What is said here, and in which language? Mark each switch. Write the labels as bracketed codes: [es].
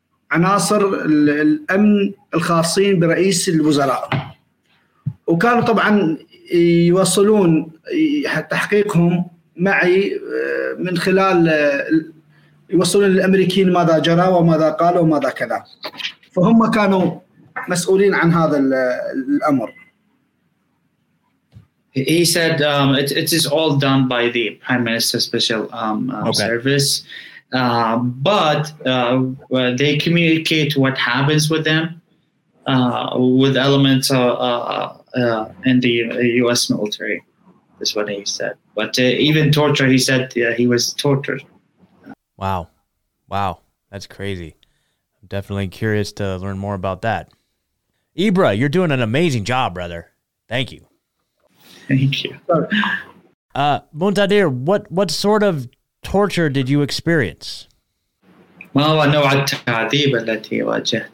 [ar] عناصر الأمن الخاصين برئيس الوزراء، وكانوا طبعا يوصلون تحقيقهم معي من خلال يوصلون للأمريكيين ماذا جرى وماذا قالوا وماذا كذا، فهم كانوا مسؤولين عن هذا الأمر. [en] He said it is all done by the Prime Minister's special service, but they communicate what happens with them with elements in the U.S. military. That's what he said. But even torture, he said he was tortured. Wow. Wow. That's crazy. I'm definitely curious to learn more about that. Ibra, you're doing an amazing job, brother. Thank you. Thank you. Muntadhar, what sort of torture did you experience? Well, I know what [ar] تعذيب التي واجهت.